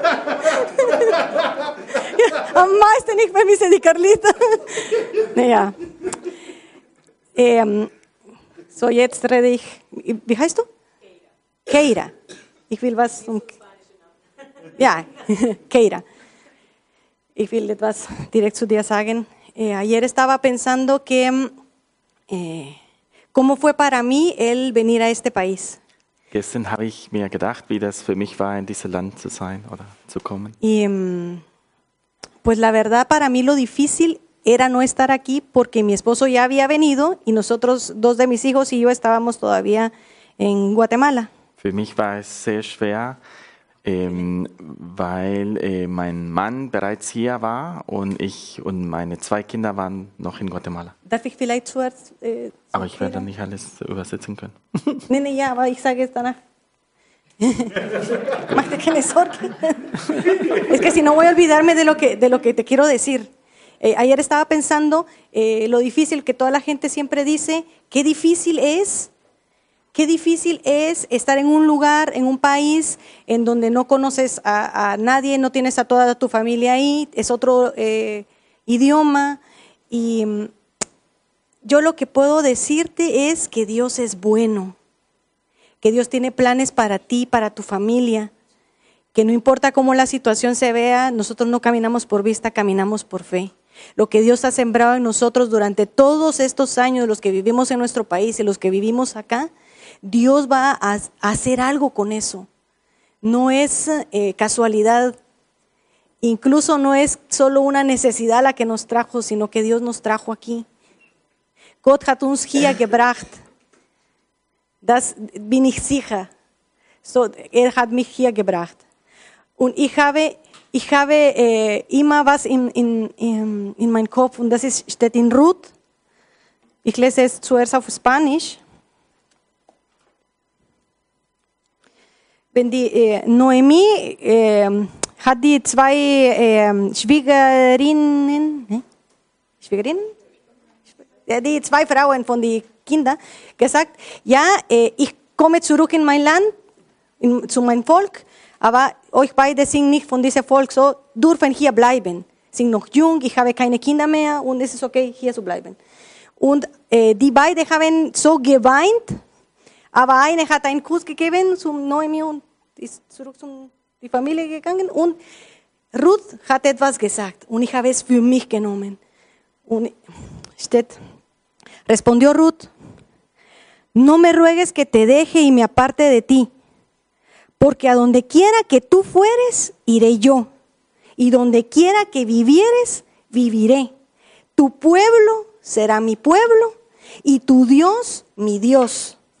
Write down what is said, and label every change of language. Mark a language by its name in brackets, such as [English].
[German] Ja, am meisten ich vermisse die Carlita. Naja. So, jetzt rede ich. Wie heißt du? Keira. Keira. Ich will was zum. Ja, Keira. Ich will etwas direkt zu dir sagen. [Spanish] Ayer estaba pensando que. ¿Cómo fue para mí el venir a este país? [German] Gestern habe ich mir gedacht, wie das für mich war, in dieses Land zu sein oder zu kommen. [Spanish] Y, pues la verdad, para mí lo difícil era no estar aquí, porque mi esposo ya había venido y nosotros, dos de mis hijos y yo, estábamos todavía en Guatemala. [German] Für mich war es sehr schwer, weil mein Mann bereits hier war und ich und meine zwei Kinder waren noch in Guatemala. Darf ich vielleicht zuerst? Aber ich werde nicht alles übersetzen können. Nein, nein, ja, aber ich sage es danach. Mach dir keine Sorge. [Spanish] Es que si no voy a olvidarme de lo que te quiero decir. Ayer estaba pensando lo difícil que toda la gente siempre dice, qué difícil es estar en un lugar, en un país, en donde no conoces a nadie, no tienes a toda tu familia ahí, es otro idioma. Y yo lo que puedo decirte es que Dios es bueno, que Dios tiene planes para ti, para tu familia, que no importa cómo la situación se vea, nosotros no caminamos por vista, caminamos por fe. Lo que Dios ha sembrado en nosotros durante todos estos años, los que vivimos en nuestro país y los que vivimos acá, Dios va a hacer algo con eso. No es casualidad, incluso no es solo una necesidad la que nos trajo, sino que Dios nos trajo aquí. [German] Gott hat uns hier gebracht. Das bin ich sicher. So, er hat mich hier gebracht. Und ich habe immer was in meinem Kopf, und das steht in Ruth. Ich lese es zuerst auf Spanisch. Wenn die Noemi hat die zwei Schwiegerinnen, die zwei Frauen von den Kindern gesagt, ja, ich komme zurück in mein Land, zu meinem Volk, aber euch beide sind nicht von diesem Volk, so dürfen hier bleiben. Sind noch jung, ich habe keine Kinder mehr und es ist okay, hier zu bleiben. Und die beiden haben so geweint, aber eine hat einen Kuss gegeben zum Noemi und ist zurück zu die Familie gegangen, und Ruth hat etwas gesagt und ich habe es für mich genommen. Und steht, [Spanish] respondió Ruth: No me ruegues que te deje y me aparte de ti, porque a donde quiera que tú fueres, iré yo, y donde quiera que vivieres, viviré. Tu pueblo será mi pueblo y tu Dios mi Dios.